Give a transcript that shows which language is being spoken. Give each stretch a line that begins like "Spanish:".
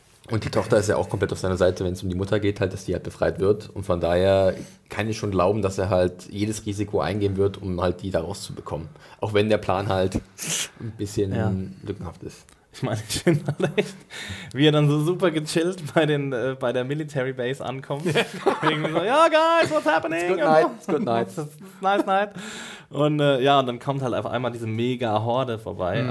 German: Und die Tochter ist ja auch komplett auf seiner Seite, wenn es um die Mutter geht, halt, dass die halt befreit wird. Und von daher kann ich schon glauben, dass er halt jedes Risiko eingehen wird, um halt die da rauszubekommen. Auch wenn der Plan halt ein bisschen lückenhaft ist. Ich meine, ich finde halt echt, wie er dann so super gechillt bei der Military Base ankommt. Irgendwie so,
English: yo guys, what's happening? It's good night, it's good night. It's nice night.
German: Und und dann kommt halt auf einmal diese mega Horde vorbei. Mhm.